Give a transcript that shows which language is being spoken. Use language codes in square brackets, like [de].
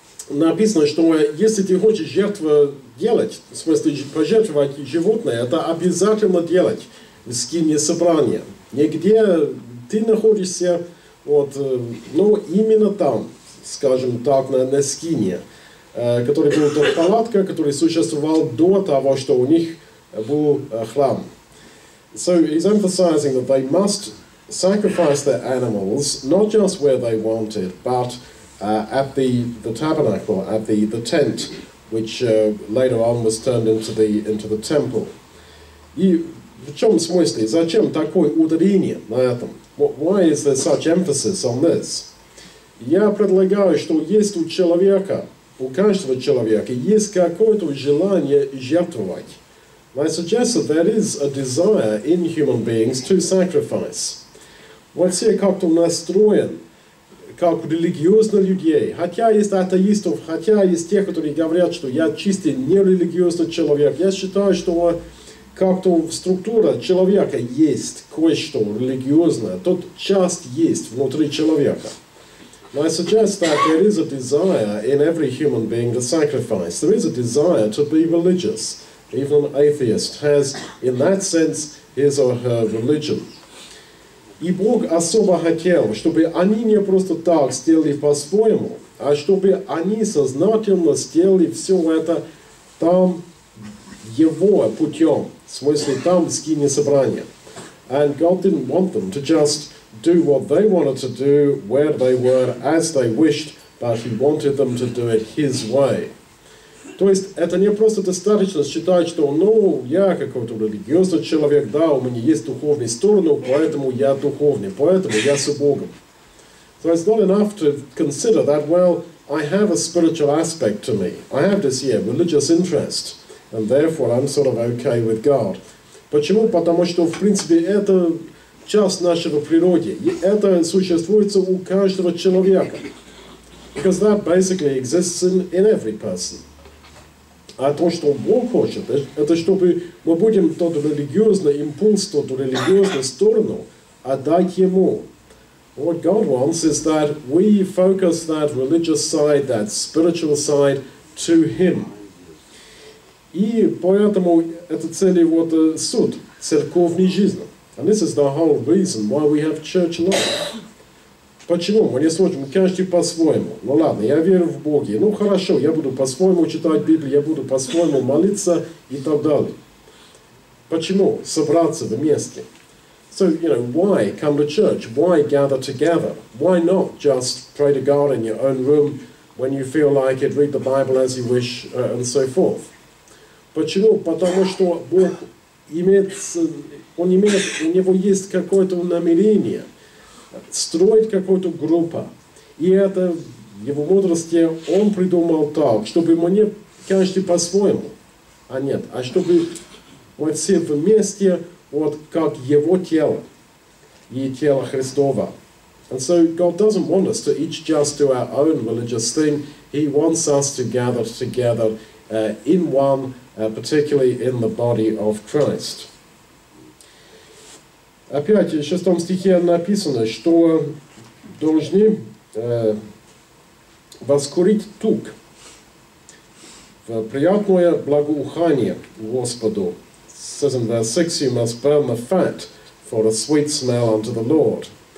[ru] Написано, что если ты хочешь жертву делать, в смысле пожертвовать животное, это обязательно делать в скинии собрания. Нигде ты находишься, вот, ну, именно там, скажем так, на скинии, который был тот палатка, который существовал до того, что у них был храм. [en] So he's emphasizing that they must sacrifice their animals, not just where they want it, but at the tabernacle, at the tent, which later on was turned into the temple. [ru] И в чем смысле? Зачем такое ударение на этом? [en] Why is there such emphasis on this? [ru] Я предлагаю, что есть у человека, у каждого человека, есть какое-то желание жертвовать. [en] I suggest that there is a desire in human beings to sacrifice. [ru] Все как-то настроен, как религиозные люди. Хотя есть атеистов, хотя есть те, которые говорят, что я чистый нерелигиозный человек. Я считаю, что как-то структура человека есть кое-что религиозное. Тот часть есть внутри человека. [en] I suggest that there is a desire in every human being to sacrifice. There is a desire to be religious. Even an atheist has, in that sense, his or her religion. [ru] И Бог особо хотел, чтобы они не просто так сделали по-своему, а чтобы они сознательно сделали все это там его путем, в смысле там в скинии собрания. [en] And God didn't want them to just do what they wanted to do, where they were, as they wished, but he wanted them to do it his way. [ru] То есть это не просто достаточно считать, что ну, я какой-то религиозный человек, да, у меня есть духовные стороны, поэтому я духовный, поэтому я с Богом. [en] So it's not enough to consider that, well, I have a spiritual aspect to me. I have this, yeah, religious interest, and therefore I'm sort of okay with God. [ru] Почему? Потому что, в принципе, это часть нашего природы. И это существует у каждого человека. [en] Because that basically exists in every person. [ru] А то, что Бог хочет, это чтобы мы будем тот религиозный импульс, тот религиозную сторону отдать Ему. [en] What God wants is that we focus that religious side, that spiritual side to Him. [ru] И поэтому это цель вот суд церковной жизни. [en] And this is the whole reason why we have church life. [ru] Почему? Мы не сможем, каждый по-своему. Ну ладно, я верю в Бога. Ну хорошо, я буду по-своему читать Библию, я буду по-своему молиться и так далее. Почему? Собраться вместе. [en] So, you know, why come to church? Why gather together? Why not just pray to God in your own room when you feel like it, read the Bible as you wish, and so forth? [ru] Почему? Потому что Бог имеет, Он имеет, у Него есть какое-то намерение строить какую-то группу. И это в его мудрости он придумал так, чтобы мы не каждый по-своему, а нет, а чтобы мы все вместе, вот как его тело и тело Христово. [en] And so God doesn't want us to each just do our own religious thing. He wants us to gather together in one, particularly in the body of Christ. [ru] Опять в 6 стихе написано, что должны воскурить тук в приятное благоухание Господу. [en] It says in verse 6, you must burn the fat for a sweet smell unto the Lord.